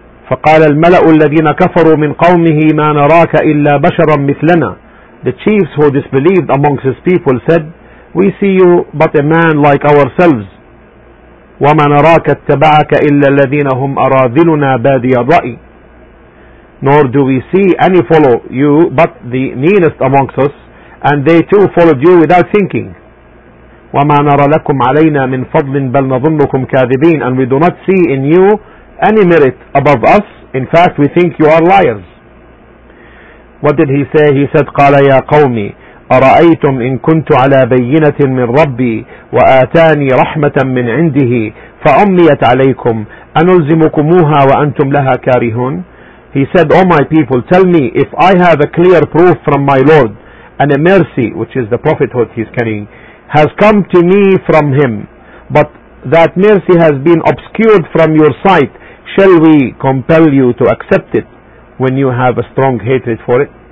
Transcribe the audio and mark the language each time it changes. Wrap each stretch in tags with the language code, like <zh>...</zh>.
<ar>فقال الملأ الذين كفروا من قومه ما نراك إلا بشرا مثلنا.</ar> <en>The chiefs who disbelieved amongst his people said, we see you but a man like ourselves.</en> <ar>وما نراك اتبعك إلا الذين هم أراذلنا بادي الرأي.</ar> <en>Nor do we see any follow you but the meanest amongst us, and they too followed you without thinking.</en> <ar>وما نرى لكم علينا من فضل بل نظنكم كاذبين.</ar> <en>And we do not see in you any merit above us. In fact, we think you are liars. What did he say? He said,</en> <ar>قال يا قومي أرأيتم إن كنت على بينة من ربي وآتاني رحمة من عنده فأميت عليكم أنلزمكموها وأنتم لها كارهون.</ar> <en>He said, O my people, tell me, if I have a clear proof from my Lord and a mercy, which is the prophethood he's carrying, has come to me from him, but that mercy has been obscured from your sight, shall we compel you to accept it when you have a strong hatred for it?</en>